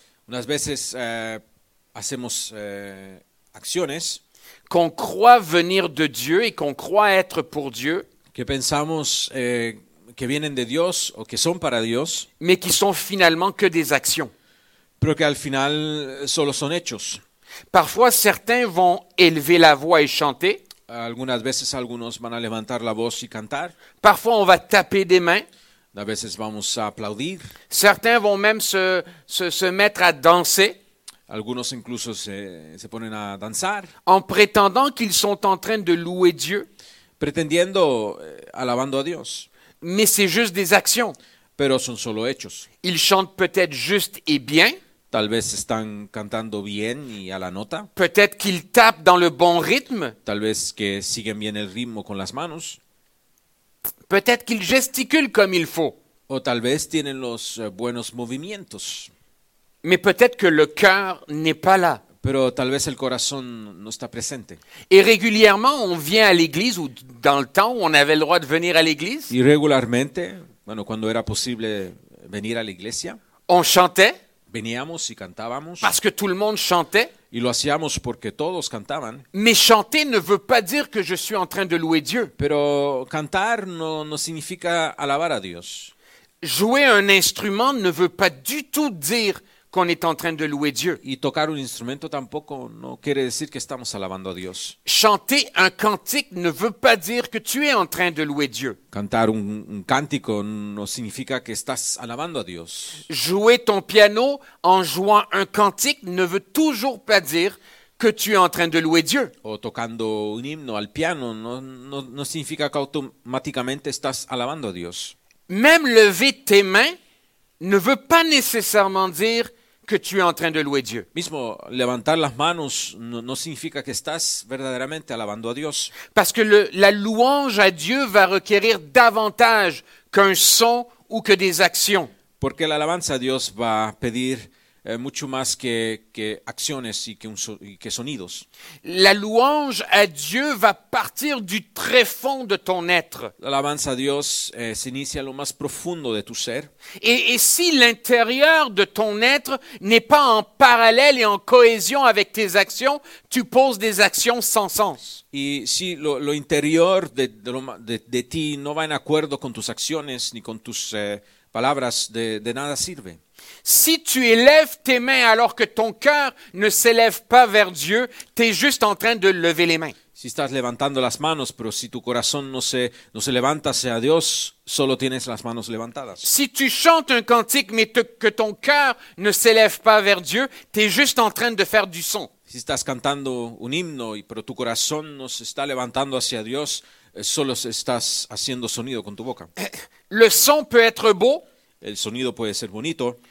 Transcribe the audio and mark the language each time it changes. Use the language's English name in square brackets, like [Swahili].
[Spanish] Unas veces hacemos acciones. [French] Qu'on croit venir de Dieu et qu'on croit être pour Dieu. [Spanish] Que pensamos que vienen de Dios o que son para Dios. [French] Mais qui sont finalement que des actions. [Spanish] Pero que al final solo son hechos. [French] Parfois, certains vont élever la voix et chanter. [Spanish] Algunas veces algunos van a levantar la voz y cantar. [French] Parfois on va taper des mains. [Spanish] A veces vamos a aplaudir. [French] Certains vont même se mettre à danser. [Spanish] Algunos incluso se ponen a danzar. [French] En prétendant qu'ils sont en train de louer Dieu. [Spanish] Pretendiendo alabando a Dios. [French] Mais c'est juste des actions. [Spanish] Pero son solo hechos. [French] Ils chantent peut-être juste et bien. [Spanish] Tal vez están cantando bien y a la nota. [French] Peut-être qu'ils tapent dans le bon rythme. [Spanish] Tal vez que siguen bien el ritmo con las manos. [French] Peut-être qu'ils gesticulent comme il faut. [Spanish] O tal vez tienen los buenos movimientos. [French] Mais peut-être que le cœur n'est pas là. [Spanish] Pero tal vez el corazón no está presente. [French] Et régulièrement, on vient à l'église ou dans le temps où on avait le droit de venir à l'église. [Spanish] Y regularmente, bueno, cuando era posible venir a la iglesia. [French] On chantait. [Spanish] Veníamos y cantábamos. [French] Parce que tout le monde chantait. [Spanish] Y lo hacíamos porque todos cantaban. [French] Mais chanter ne veut pas dire que je suis en train de louer Dieu. [Spanish] Pero cantar no significa alabar a Dios. [French] Jouer un instrument ne veut pas du tout dire qu'on est en train de louer Dieu. [Spanish] Y tocar un instrumento tampoco no quiere decir que estamos alabando a Dios. [French] Chanter un cantique ne veut pas dire que tu es en train de louer Dieu. [Spanish] Cantar un cántico no significa que estás alabando a Dios. [French] Jouer ton piano en jouant un cantique ne veut toujours pas dire que tu es en train de louer Dieu. [Spanish] O tocando un himno al piano no significa que automáticamente estás alabando a Dios. [French] Même lever tes mains ne veut pas nécessairement dire que tu es en train de louer Dieu. [Spanish] Mismo levantar las manos no significa que estás verdaderamente alabando a Dios. [French] Parce que la louange à Dieu va requérir davantage qu'un son ou que des actions. [Spanish] Porque la alabanza a Dios va pedir mucho más que acciones y que sonidos. [French] La louange à Dieu va partir du très fond de ton être. [Spanish] L'alabanza a Dios s'inicia lo más profundo de tu ser. [French] Et si l'intérieur de ton être n'est pas en parallèle et en cohésion avec tes actions, tu poses des actions sans sens. [Spanish] Y si lo interior de ti no va en acuerdo con tus acciones ni con tus palabras, de nada sirve. [French] Si tu élèves tes mains alors que ton cœur ne s'élève pas vers Dieu, tu es juste en train de lever les mains. [Spanish] Si estás levantando las manos, pero si tu corazón no se levanta hacia Dios, solo tienes las manos levantadas. [French] Si tu chantes un cantique mais que ton cœur ne s'élève pas vers Dieu, tu es juste en train de faire du son. [Spanish] Si estás cantando un himno pero tu corazón no se está levantando hacia Dios, solo estás haciendo sonido con tu boca. [French] Le son peut être beau. [Spanish] El sonido puede ser bonito.